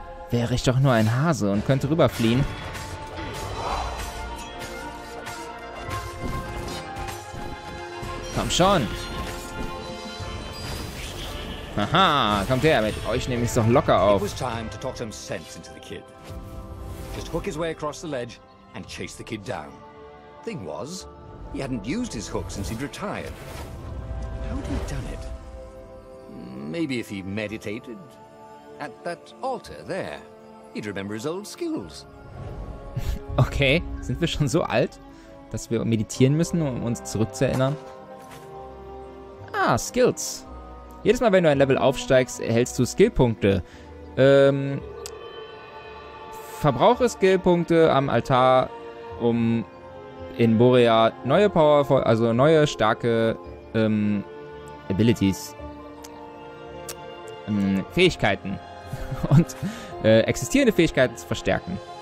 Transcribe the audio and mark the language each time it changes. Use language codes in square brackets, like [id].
[de] Wäre ich doch nur ein Hase und könnte rüberfliehen. Komm schon. Aha, kommt her, mit euch nehme ich es doch locker auf. [en] It was time to talk some sense into the kid. Just hook his way across the ledge and chase the kid down. Thing was, he hadn't used his hook since he'd retired. How'd he done it? Maybe if he meditated at that altar there, he'd remember his old skills. [de] Okay, sind wir schon so alt, dass wir meditieren müssen, um uns zurückzuerinnern? Ah, Skills. Jedes Mal, wenn du ein Level aufsteigst, erhältst du Skillpunkte. Verbrauche Skillpunkte am Altar, um in Borea neue Power, also neue starke Abilities, Fähigkeiten und existierende Fähigkeiten zu verstärken.